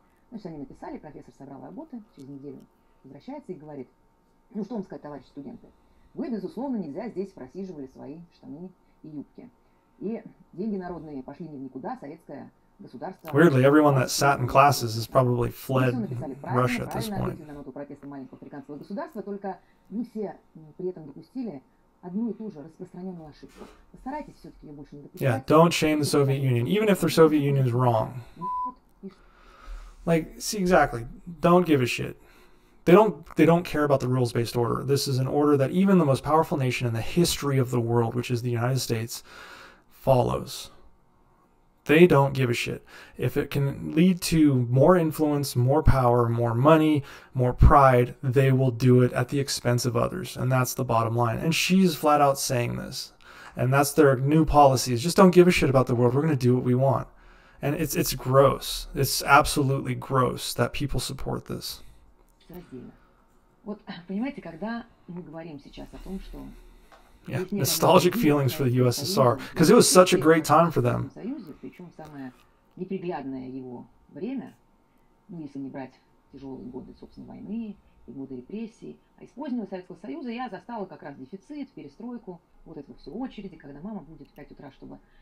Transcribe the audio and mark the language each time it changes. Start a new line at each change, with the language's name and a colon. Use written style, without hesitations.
Russian: Ну, что они написали, профессор собрал работы, через неделю возвращается и говорит, ну, что вам сказать, товарищ студенты? Вы, безусловно, нельзя здесь просиживали свои штаны и юбки. И деньги народные пошли не в никуда, советское государство...
English: Weirdly, everyone that sat in classes has probably fled Russia at this point.
Russian: ...на ноту протеста маленького африканского государства, только мы все при этом допустили одну и ту же распространенную ошибку. Постарайтесь все-таки ее больше не допускать.
English: Yeah, don't shame the Soviet Union, even if the Soviet Union is wrong. Like, see, exactly. Don't give a shit. They don't care about the rules-based order. This is an order that even the most powerful nation in the history of the world, which is the United States, follows. They don't give a shit. If it can lead to more influence, more power, more money, more pride, they will do it at the expense of others. And that's the bottom line. And she's flat out saying this. And that's their new policy, is just don't give a shit about the world. We're going to do what we want. And it's gross. It's absolutely gross that people support this.
Russian: Вот, понимаете, когда мы говорим сейчас о том, что...
English: Yeah, nostalgic feelings for the USSR, because it was such a great time for them.
Russian: Причем самое неприглядное его время, ну, если не брать тяжелые годы, собственно, войны и годы репрессий, а из позднего Советского Союза я застала как раз дефицит, перестройку, вот это все очереди, когда мама будет в 5 утра, чтобы...